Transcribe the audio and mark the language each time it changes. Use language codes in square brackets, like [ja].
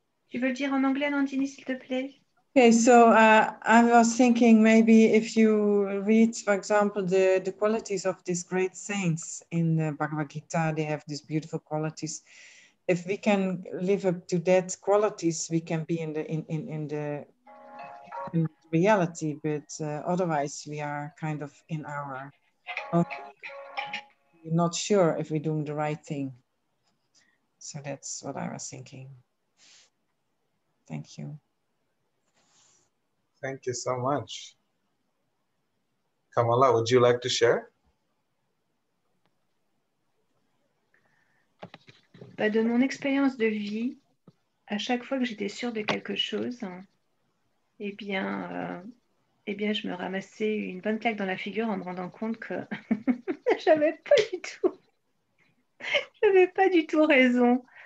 [fr] Tu veux le dire en anglais, Nandini, s'il te plaît? [en] Okay, so I was thinking maybe if you read, for example, the qualities of these great saints in the Bhagavad Gita, they have these beautiful qualities. If we can live up to that qualities, we can be in the reality, but otherwise we are kind of in our own, not sure if we're doing the right thing. So that's what I was thinking. Thank you. Thank you so much. Kamala, would you like to share? [fr] De mon expérience de vie, à chaque fois que j'étais sûre de quelque chose, eh bien, je me ramassais une bonne claque dans la figure en me rendant compte que j'avais pas du tout raison.